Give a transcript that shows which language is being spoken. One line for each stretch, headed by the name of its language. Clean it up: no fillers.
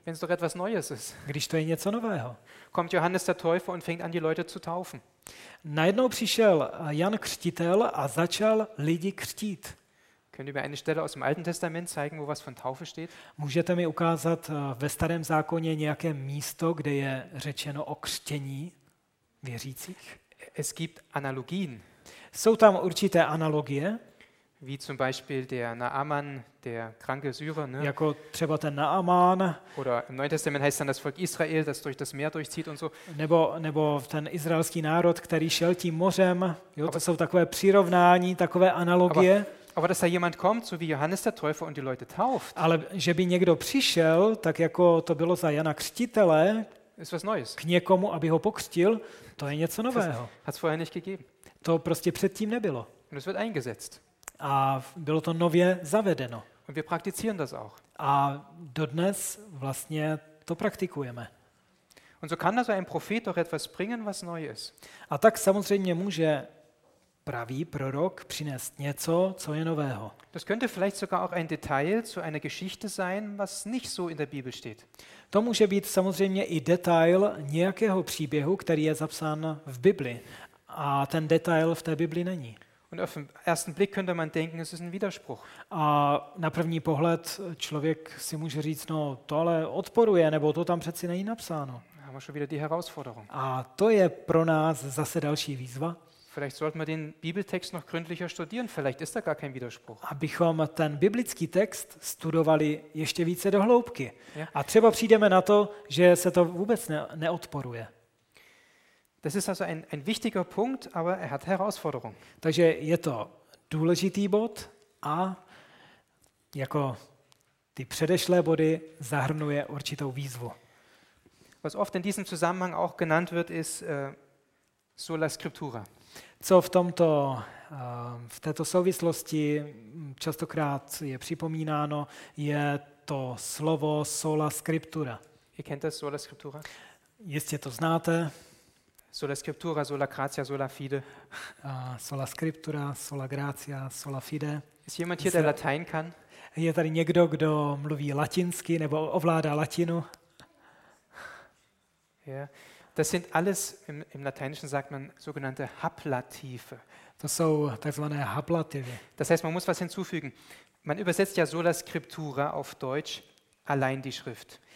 German: Wenn's doch etwas Neues ist.
Czech: Když to je něco nového.
German: Kommt Johannes der Täufer und fängt an die Leute zu taufen.
Czech: Najednou přišel Jan Křtitel a začal lidi křtít.
German: Könnt ihr mir eine Stelle aus dem Alten Testament zeigen, wo was von Taufe steht?
Czech: Můžete mi ukázat ve Starém zákoně nějaké místo, kde je řečeno o křtění věřících?
German: Es gibt Analogien.
Czech: Jsou tam určité analogie?
German: Wie zum Beispiel der Naaman, der kranke Syrer, ne?
Czech: Jako třeba ten Naaman.
German: Oder im Neuen Testament heißt dann das Volk Israel, das durch das Meer durchzieht und so.
Czech: Nebo ten izraelský národ, který šel tím mořem. Jo, aber, to jsou takové přirovnání, takové analogie.
German: Aber dass da jemand kommt, so wie Johannes der Täufer und die Leute tauft.
Czech: Ale že by někdo přišel, tak jako to bylo za Jana Křtitele,
German: ist was Neues.
Czech: K někomu, aby ho pokřtil, to je něco nového.
German: Hat's vorher nicht gegeben.
Czech: To prostě předtím nebylo.
German: Und es wird eingesetzt.
Czech: A bylo to nově zavedeno.
German: Und wir praktizieren das auch.
Czech: A dodnes vlastně to praktikujeme.
German: Und so kann also ein Prophet doch etwas bringen, was neu ist.
Czech: A tak samozřejmě může pravý prorok přinést něco, co je nového.
German: Das könnte vielleicht sogar auch ein Detail zu einer Geschichte sein, was nicht so in der Bibel steht.
Czech: To může být samozřejmě i detail nějakého příběhu, který je zapsán v Bibli. A ten detail v té Bibli není.
German: Und auf den ersten Blick könnte man denken, es ist ein Widerspruch.
Czech: A na první pohled člověk si může říct, no to ale odporuje, nebo to tam přeci není napsáno.
German: Haben schon wieder die Herausforderung.
Czech: A to je pro nás zase další výzva.
German: Vielleicht sollten wir den Bibeltext noch gründlicher studieren, vielleicht ist da gar kein Widerspruch.
Czech: Abychom ten biblický text studovali ještě více do hloubky. A třeba přijdeme na to, že se to vůbec neodporuje.
German: Das ist also ein wichtiger Punkt, aber er hat Herausforderung.
Czech: Takže je to důležitý bod a jako ty předešlé body zahrnuje určitou výzvu.
German: Was oft in diesem Zusammenhang auch genannt wird, ist sola scriptura.
Czech: Co v tomto v této souvislosti častokrát je připomínáno, je to slovo sola scriptura.
German: Ihr kennt das sola scriptura?
Czech: Jistě to znáte.
Latin: Sola scriptura, sola gratia, sola fide. Sola scriptura, sola gratia, sola fide.
German: Ist jemand hier, der Latein kann?
Czech: Je tady někdo, kdo mluví latinsky nebo ovládá latinu? Yeah.
German: Das sind alles im Lateinischen sagt man sogenannte Haplative.
Czech: To jsou takzvané haplativy.
German: Das heißt, man muss was hinzufügen. Man übersetzt ja sola scriptura auf Deutsch allein die Schrift.